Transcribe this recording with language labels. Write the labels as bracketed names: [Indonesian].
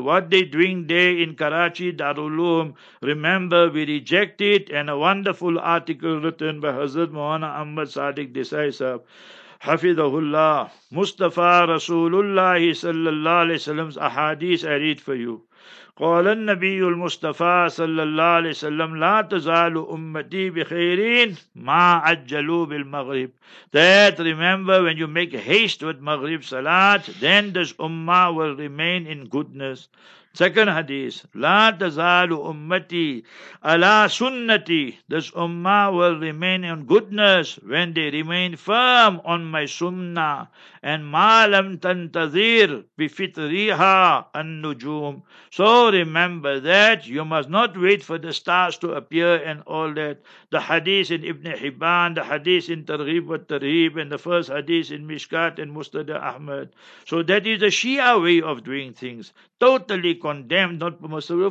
[English] What they doing there in Karachi, Darul Uloom, remember, we reject it, and a wonderful article written by Hazrat Mohana Ahmad Sadiq Desai Sahib, Hafidhullah, Mustafa Rasulullah sallallahu alayhi wa sallam's ahadith, I read for you. [Arabic] قال النبي المصطفى صلى الله عليه وسلم لا تزال أمتي بخيرين ما عجلوا بالمغرب. [English] That remember, when you make haste with Maghrib Salat, then this Ummah will remain in goodness. Second hadith, [Arabic] لا تزال أمتي على سنتي. [English] This Ummah will remain in goodness when they remain firm on my Sunnah. [Arabic] And ما لم تنتظر بفطريها النجوم. [English] So remember that you must not wait for the stars to appear and all that. The hadith in Ibn Hibban, the hadith in Targhib wa Tarhib, and the first hadith in Mishkat and Mustada Ahmad. So that is the Shia way of doing things. Totally condemned, not permissible.